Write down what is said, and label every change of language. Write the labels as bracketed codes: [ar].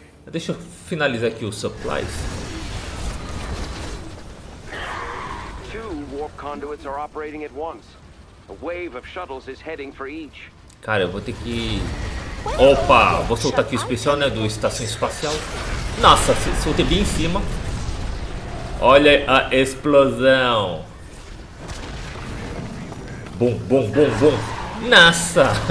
[pt] Deixa eu finalizar aqui os supplies. [en] Two warp conduits are operating at once. A wave of shuttles is heading for each. [pt] Cara, eu vou ter que... Opa! Vou soltar aqui o especial, né, do estação espacial. Nossa, soltei bem em cima. Olha a explosão. Bum, bum, bum, bum. Nossa!